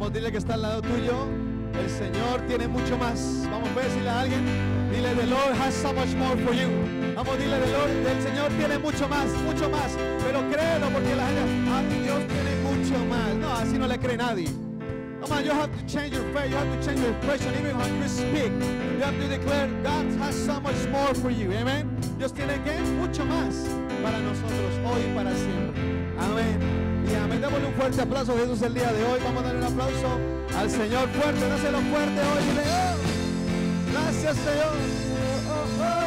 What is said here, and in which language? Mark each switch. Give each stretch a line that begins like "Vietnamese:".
Spanish: que está al lado tuyo, el Señor tiene mucho más. Vamos a decirle a alguien, dile:
English: the Lord has so much more for you.
Spanish: Vamos, dile: the Lord, el Señor tiene mucho más, pero créelo, porque la gente, a ti Dios tiene mucho más. No, así no le cree nadie.
English: Come on, you have to change your faith, you have to change your expression, even how you speak. You have to declare, God has so much more for you, amen.
Spanish: Dios tiene que mucho más para nosotros, hoy y para siempre, amén. Y amén, démosle un fuerte aplauso a Jesús el día de hoy. Vamos a darle un aplauso al Señor fuerte, dáselo fuerte hoy. Dile, gracias Señor.